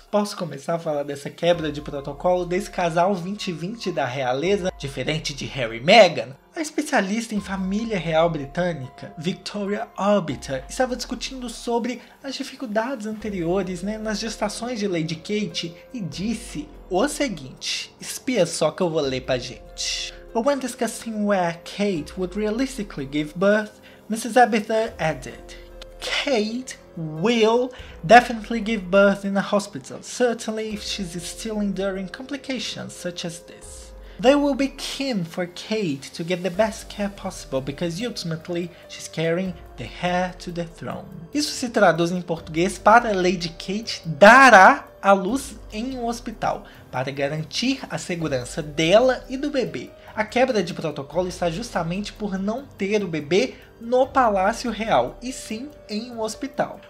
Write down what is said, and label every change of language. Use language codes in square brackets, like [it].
[pt] Posso começar a falar dessa quebra de protocolo desse casal 2020 da realeza, diferente de Harry e Meghan? A especialista em família real britânica, Victoria Orbiter, estava discutindo sobre as dificuldades anteriores, né, nas gestações de Lady Kate e disse o seguinte, espia só que eu vou ler pra gente. [en] But when discussing where Kate would realistically give birth, Mrs. Orbiter added, Kate will definitely give birth in a hospital, certainly if she's still enduring complications such as this. They will be keen for Kate to get the best care possible because ultimately she's carrying the heir to the throne. [pt] Isso se traduz em português para Lady Kate dará a luz em um hospital para garantir a segurança dela e do bebê. A quebra de protocolo está justamente por não ter o bebê no Palácio Real, e sim em um hospital.